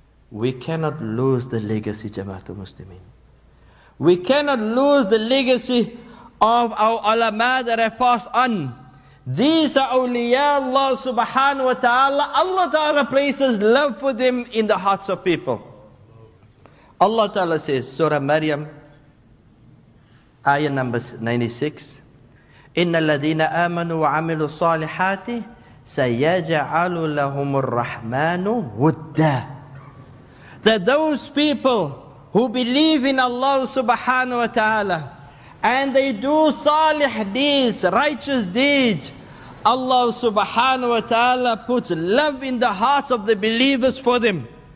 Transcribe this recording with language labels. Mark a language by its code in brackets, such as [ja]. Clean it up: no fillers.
[en] We cannot lose the legacy, Jamaat al-Muslimin. We cannot lose the legacy of our ulama that have passed on. These are awliya Allah subhanahu wa ta'ala. Allah ta'ala places love for them in the hearts of people. Allah ta'ala says, Surah Maryam, ayah number 96, [ar] إن الذين آمنوا وعملوا الصالحات سيجعل لهم الرحمن ودا. [en] That those people who believe in Allah subhanahu wa ta'ala and they do salih deeds, righteous deeds, Allah subhanahu wa ta'ala puts love in the hearts of the believers for them.